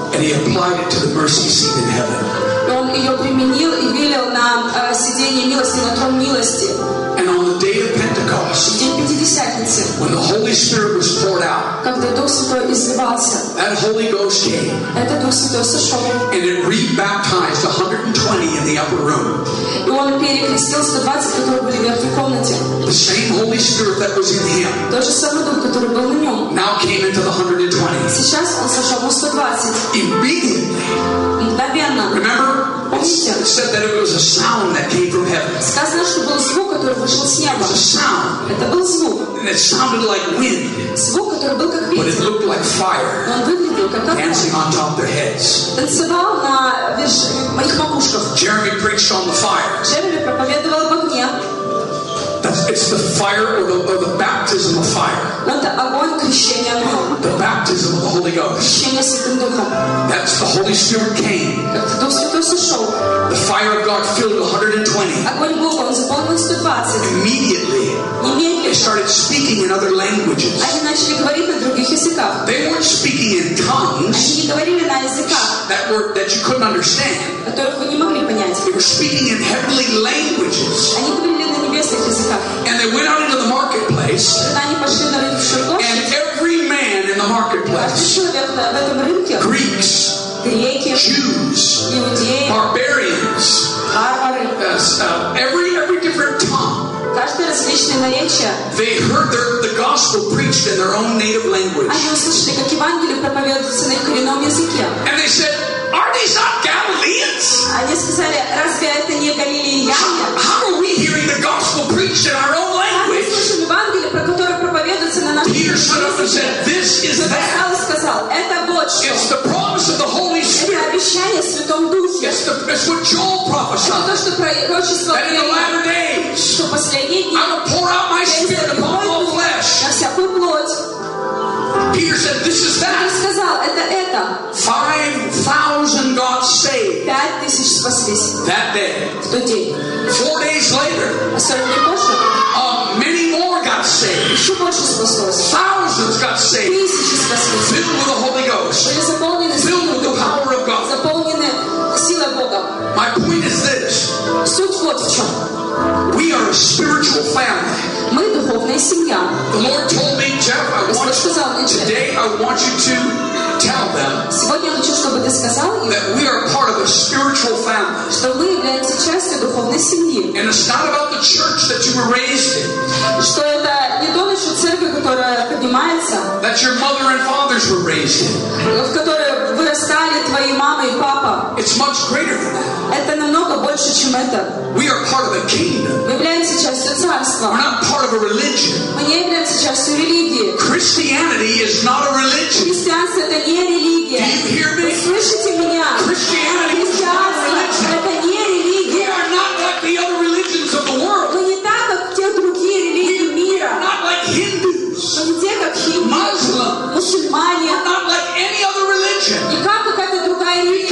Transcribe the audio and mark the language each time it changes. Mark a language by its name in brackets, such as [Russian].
[English] And he applied it to the mercy seat in heaven. [Russian] И он ее применил и вылил на сиденье милости, на трон милости. [English] And on the day of Pentecost, [Russian] в день Пятидесятницы, [English] when the Holy Spirit was poured out, [Russian] когда Дух Святой изливался, [English] that Holy Ghost came, [Russian] этот Дух Святой сошел, [English] and it re-baptized 120 in the upper room. [Russian] И он перекрестил 120, которые были в верхней комнате. [English] The same Holy Spirit that was in him, [Russian] тот же самый Дух, который был на нем, [English] now came into the 120. [Russian] Сейчас он сошел в 120. [English] Immediately. [Russian] Мгновенно. [English] Remember? It said that it was a sound that came from heaven. [Russian] Сказано, что был звук, который вышел с неба. [English] It was a sound. [Russian] Это был звук. [English] And it sounded like wind. [Russian] Звук, который был как ветер. [English] But it looked like fire. [Russian] Но он выглядел как огонь. [English] Dancing on top of their heads. [Russian] Танцевал на моих макушках. [English] Jeremy preached on the fire. [Russian] Джереми проповедовал об огне. [English] It's the fire or the baptism of fire. [Russian] Но это огонь крещения огнем. [English] The baptism of the Holy Ghost. [Russian] Крещение Святым Духом. [English] That's the Holy Spirit came. [Russian] Это Дух Святой сошел. [English] The fire of God filled 120. [Russian] Огонь Бога заполнил 120. [English] Immediately. [Russian] Немедленно. [English] They started speaking in other languages. [Russian] Они начали говорить на других языках. [English] They weren't speaking in tongues. [Russian] Они не говорили на языках. [English] That were that you couldn't understand. [Russian] Которых вы не могли понять. [English] They were speaking in heavenly languages. [Russian] Они говорили на небесных языках. [English] And they went out into the marketplace. [Russian] Тогда они пошли на рынок. [English] And every man in the marketplace. Greeks. [Russian] Греки. [English] Jews. [Russian] Иудеи. [English] Barbarians. [Russian] Варвары. [English] Every different tongue. [Russian] Каждое различное наречие. [English] They heard the gospel preached in their own native language. [Russian] Они услышали, как Евангелие проповедуется на их коренном языке. [English] And they said, "Are these not Galileans?" [Russian] Они сказали, разве это не галилеяне? [English] How are we hearing the gospel preached in our own language? [Russian] Мы слышим Евангелие, про которое проповедуется на нашем языке. [English] Peter stood up and said, "This is that." [Russian] Павел сказал, это вот что. [English] It's the promise of the Holy Spirit. [Russian] Это обещание в Святом Духе. [English] It's what Joel prophesied. [Russian] Это то, что пророчество. [English] That in the latter days. [Russian] Что последние дни. [English] I will pour out my Spirit upon all flesh. [Russian] На всякую плоть. [English] Peter said, "This is that." [Russian] Он сказал, это это. [English] 5,000 got saved. [Russian] 5,000 спаслись. [English] That day. [Russian] В тот день. [English] 4 days later. [Russian] А сорок дней позже. [English] Many more got saved. [Russian] Еще больше спаслось. [English] Thousands got saved. [Russian] Тысячи спаслись. [English] Filled with the Holy Ghost. [Russian] Были заполнены. [English] Filled with the power of God. [Russian] Заполнены силой Бога. [English] My point is this. [Russian] Суть вот в чем. [English] We are a spiritual family. [Russian] Мы духовная семья. [English] The Lord told me, Jeff, I want you, today I want you to tell them that we are part of a spiritual family. And it's not about the church that you were raised in. [Russian] Что это не то насчет церкви, которая поднимается. [English] That your mother and fathers were raised in. [Russian] В которой вырастали твои мама и папа. [English] It's much greater than that. [Russian] Это намного больше, чем это. [English] We are part of the kingdom. [Russian] Мы являемся частью царства. [English] We're not part of a religion. [Russian] Мы не являемся частью религии. [English] Christianity is not a religion. [Russian] Христианство это не религия. [English] Do you hear me? [Russian] Вы слышите меня? [English] Christianity is not a religion. [Russian] Это не религия. [English] We are not like the other religions of the world. [Russian] Мы не так, как те другие религии мира. [English] We are not like Hindus. [Russian] Мы не те, как хиндус. [English] Muslim. [Russian] Мусульмане. [English] We're not like any other religion. [Russian] И как какая-то другая религия.